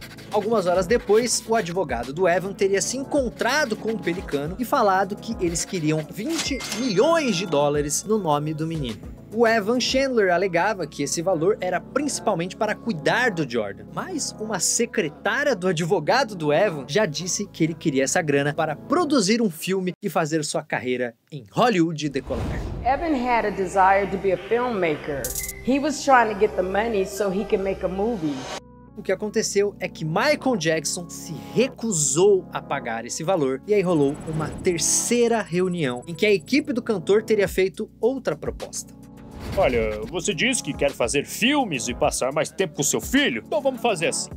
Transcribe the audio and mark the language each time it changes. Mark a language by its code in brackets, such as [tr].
[pt] Algumas horas depois, o advogado do Evan teria se encontrado com o Pelicano e falado que eles queriam 20 milhões de dólares no nome do menino. O Evan Chandler alegava que esse valor era principalmente para cuidar do Jordan, mas uma secretária do advogado do Evan já disse que ele queria essa grana para produzir um filme e fazer sua carreira em Hollywood decolar. [en] Evan had a desire to be a filmmaker. He was trying to get the money so he could make a movie. [pt] O que aconteceu é que Michael Jackson se recusou a pagar esse valor e aí rolou uma terceira reunião em que a equipe do cantor teria feito outra proposta. Olha, você diz que quer fazer filmes e passar mais tempo com seu filho? Então vamos fazer assim.